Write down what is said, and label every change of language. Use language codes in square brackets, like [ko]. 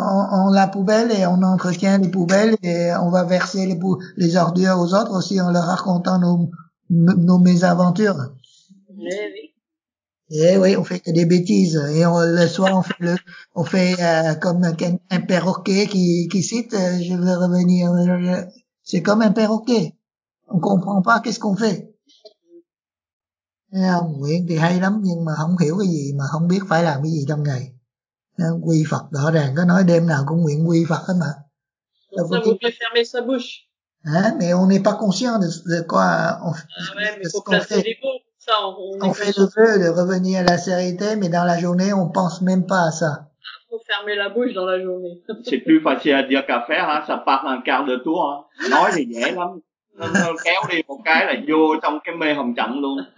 [fr] On la poubelle et on entretient les poubelles et on va verser les ordures aux autres aussi en leur racontant nos mésaventures. Oui, oui. Et oui, on fait que des bêtises. Et on, le soir, on fait, on fait comme un perroquet qui cite, je veux revenir. C'est comme un perroquet. On comprend pas qu'est-ce qu'on fait. [vi] Nguyện thì hay lắm, nhưng mà không hiểu cái gì, mà không biết phải làm cái gì trong ngày. Quy Phật rõ ràng có nói đêm nào cũng nguyện quy Phật hết mà. [fr] Ça vous plaît fermer sa bouche. Hein? Mais on n'est pas conscient de quoi on fait. Ah ouais, mais on fait le vœu de revenir à la sérénité, mais dans la journée, on pense même pas à ça. Faut fermer la bouche dans la journée. C'est plus facile à dire qu'à faire, hein. Ça part un quart de tour, hein. [vi] Nói thì dễ lắm. Kéo đi một cái là vô trong cái mê hồng trận luôn.